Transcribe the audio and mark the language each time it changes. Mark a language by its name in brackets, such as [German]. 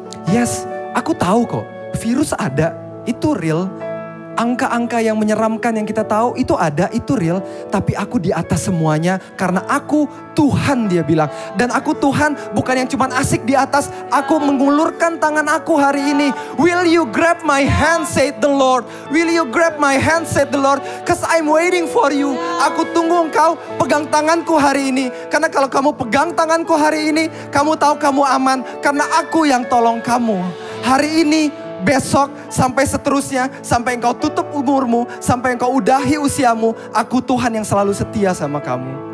[Indonesian] Yes, aku tahu kok, virus ada, itu real. Angka-angka yang menyeramkan yang kita tahu, itu ada, itu real. Tapi aku di atas semuanya, karena aku Tuhan, dia bilang. Dan aku Tuhan bukan yang cuma asik di atas, aku mengulurkan tangan aku hari ini. [English] Will you grab my hand, said the Lord. Will you grab my hand, said the Lord. Cause I'm waiting for you. [Indonesian] Aku tunggu engkau pegang tanganku hari ini. Karena kalau kamu pegang tanganku hari ini, kamu tahu kamu aman. Karena aku yang tolong kamu. Hari ini, besok, sampai seterusnya, sampai engkau tutup umurmu, sampai engkau udahi usiamu, aku Tuhan yang selalu setia sama kamu.